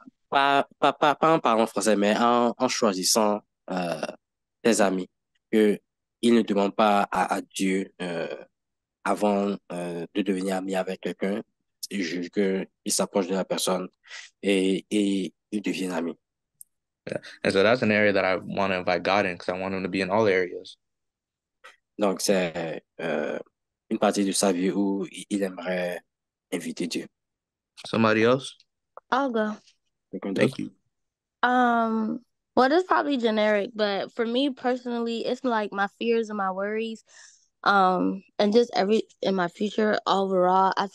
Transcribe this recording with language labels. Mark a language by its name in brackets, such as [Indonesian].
[French] Pas en parlant français, mais en choisissant tes amis, qu'ils ne demandent pas à Dieu avant de devenir ami avec quelqu'un, jusque il s'approche de la personne et ils deviennent amis. [English] Yeah. And so that's an area that I want to invite God in, because I want him to be in all areas. [French] Donc c'est une partie de sa vie où il aimerait inviter Dieu. [English] Somebody else? I'll go. Thank you. Well, this is probably generic, but for me personally, it's like my fears and my worries, and just every in my future overall.